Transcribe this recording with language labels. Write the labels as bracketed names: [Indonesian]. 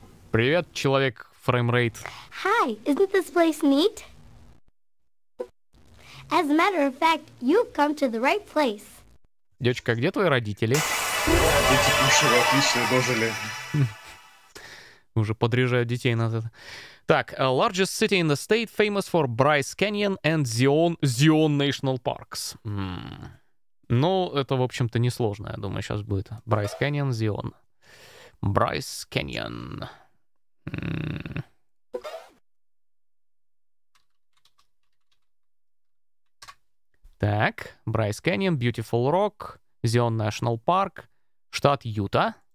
[Russian] Привет, человек, фреймрейт. [English] Hi, isn't this place neat? As a matter of fact, you've come to the right place. [Russian] Девочка, где твои родители? Дети кушали, отлично дожили. Уже подряжают детей на это. [English] Так, largest city in the state, famous for Bryce Canyon and Zion National Parks. [Russian] Ну, это, в общем-то, несложно, я думаю, сейчас будет. [English] Bryce Canyon, Zion. Bryce Canyon. [Russian] Так, Bryce Canyon, Beautiful Rock, Zion National Park, штат Юта.